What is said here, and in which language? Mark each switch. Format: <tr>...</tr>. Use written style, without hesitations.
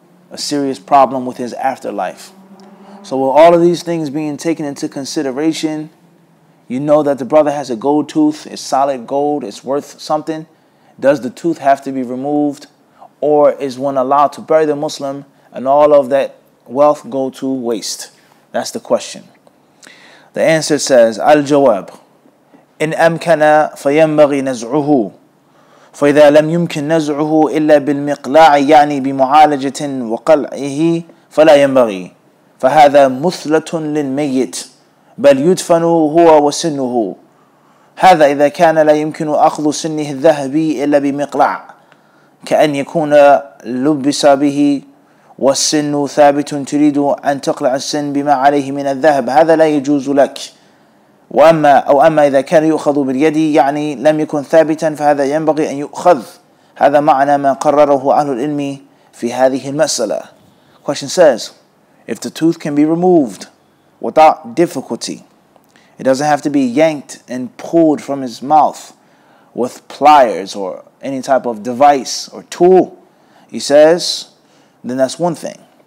<en>A serious problem with his afterlife. So with all of these things being taken into consideration, you know that the brother has a gold tooth, it's solid gold, it's worth something. Does the tooth have to be removed, or is one allowed to bury the Muslim and all of that wealth go to waste? That's the question. The answer says,</en> <ar>Al-Jawab, إن أمكن فينبغي نزعه فإذا لم يمكن نزعه إلا بالمقلاع يعني بمعالجة وقلعه فلا ينبغي فهذا مثلة للميت بل يدفن هو وسنه هذا إذا كان لا يمكن أخذ سنه الذهبي إلا بمقلع كأن يكون لبس به والسن ثابت تريد أن تقلع السن بما عليه من الذهب هذا لا يجوز لك وأما إذا كان يؤخذ باليد يعني لم يكن ثابتا فهذا ينبغي أن يؤخذ هذا معنى ما قرره أهل العلم في هذه المسألة.</ar> <en>Question says, if the tooth can be removed without difficulty, it doesn't have to be yanked and pulled from his mouth with pliers or any type of device or tool, he says, then that's one thing.</en>